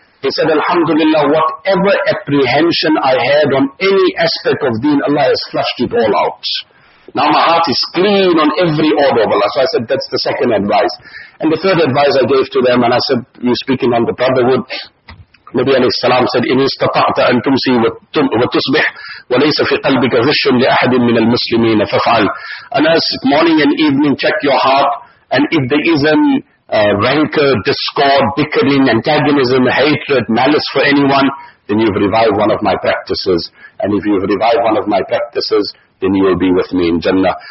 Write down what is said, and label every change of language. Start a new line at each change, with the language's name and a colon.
English: He said, Alhamdulillah, whatever apprehension I had on any aspect of deen, Allah has flushed it all out. Now my heart is clean on every order of Allah. So I said, that's the second advice. And the third advice I gave to them, and I said, you're speaking on the brotherhood. Nabi alayhi salam said,
Arabic: إِنِ اسْتَطَعْتَ أَن تُمْسِي وَتُصْبِحْ وَلَيْسَ فِي قَلْبِكَ غِشٌّ لِأَحَدٍ مِّنَ الْمُسْلِمِينَ فَفْعَلْ.
English: Anas, morning and evening, check your heart. And if there isn't rancor, discord, bickering, antagonism, hatred, malice for anyone, then you've revived one of my practices. And if you've revived one of my practices, then you will be with me in Jannah.